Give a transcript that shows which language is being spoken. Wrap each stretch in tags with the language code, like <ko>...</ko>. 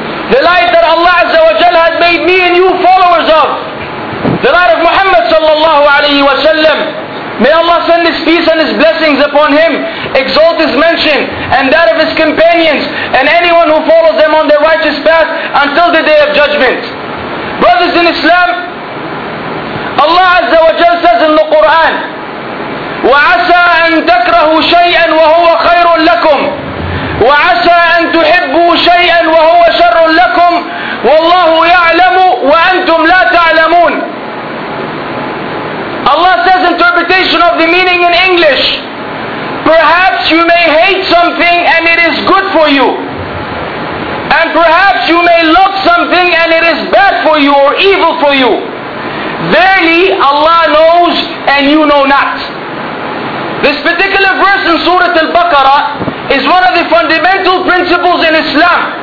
<en>The light that Allah Azza wa Jalla had made me and you followers of. The light of Muhammad sallallahu alayhi wa sallam. May Allah send His peace and His blessings upon him, exalt His mention and that of His companions and anyone who follows them on their righteous path until the day of judgment. Brothers in Islam, Allah Azza wa Jal says in the Quran,</en> <ar>وَعَسَىٰ أَن تَكْرَهُ شَيْئًا وَهُوَ خَيْرٌ لَكُمْ وَعَسَىٰ أَن تُحِبُّوا شَيْئًا وَهُوَ شَرٌ لَكُمْ وَاللَّهُ يَعْلَمُ وَأَنْتُمْ لَا تَعْلَمُونَ.</ar> <en>Allah says, interpretation of the meaning in English, perhaps you may hate something and it is good for you, and perhaps you may love something and it is bad for you or evil for you. Verily, Allah knows and you know not. This particular verse in Surah Al-Baqarah is one of the fundamental principles in Islam.</en>